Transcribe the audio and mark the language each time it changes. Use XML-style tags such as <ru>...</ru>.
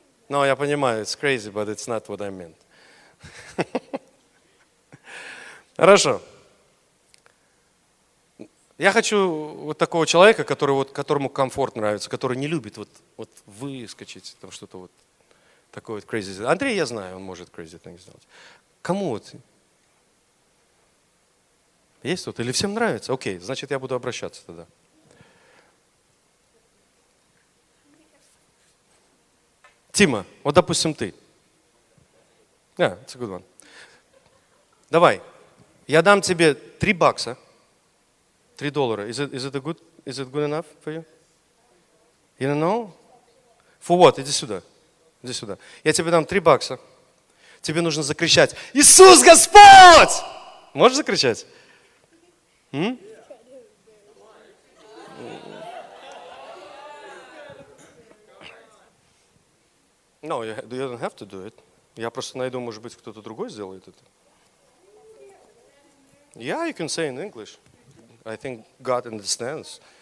<en>No,</en> <ru>я понимаю,</ru> <en>it's crazy, but it's not what I meant.</en> <ru>Хорошо. Я хочу вот такого человека, которому комфорт нравится, который не любит вот выскочить, там что-то вот такое вот crazy. Андрей, я знаю, он может crazy так сделать. Кому вот? Есть тут? Или всем нравится? Окей, значит, я буду обращаться тогда.</ru> <en>Тима,</en> <ru>вот допустим ты.</ru> <en>Yeah, it's a good one.</en> <ru>Давай, я дам тебе $3. $3.</ru> <en>Is it good enough for you? You don't know? For what?</en> <ru>Иди сюда. Я тебе дам $3. Тебе нужно закричать. Иисус Господь! Можешь закричать?</ru> <en>No, you don't have to do it.</en> <ru>Я просто найду, может быть, кто-то другой сделает это.</ru> <en>Yeah, you can say in English. I think God understands.</en>